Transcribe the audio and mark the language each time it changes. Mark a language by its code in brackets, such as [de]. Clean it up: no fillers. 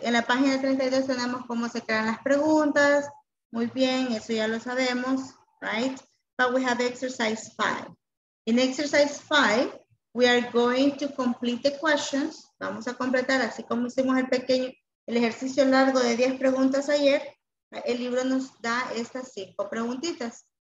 [es] En la página 32 tenemos cómo se crean las preguntas. Muy bien, eso ya lo sabemos. [en] Right. But we have exercise 5. In exercise 5, we are going to complete the questions. [es] Vamos a completar, así como hicimos el ejercicio largo de 10 preguntas ayer, el libro nos da estas 5 preguntitas.